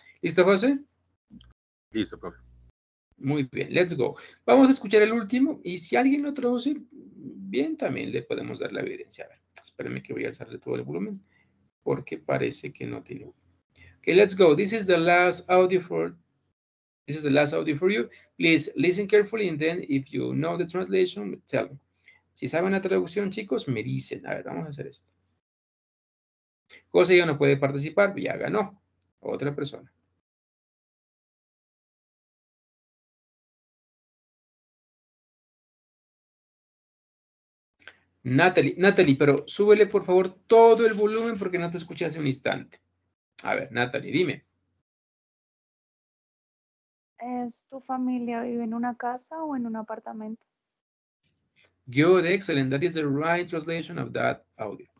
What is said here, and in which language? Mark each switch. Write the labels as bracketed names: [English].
[Spanish] ¿Listo, José? Listo, profe. Muy bien, [English] let's go. [Spanish] Vamos a escuchar el último y si alguien lo traduce bien, también le podemos dar la evidencia. A ver, espérenme que voy a alzarle todo el volumen porque parece que no tiene. [English] Ok, let's go. This is the last audio for you. Please listen carefully and then if you know the translation, tell me. [Spanish] Si saben la traducción, chicos, me dicen. A ver, vamos a hacer esto. José ya no puede participar, ya ganó. Otra persona. Natalie, pero súbele por favor todo el volumen porque no te escuché hace un instante. A ver, Natalie, dime. ¿Es tu familia vive en una casa o en un apartamento? [English] Good, excellent. That is the right translation of that audio.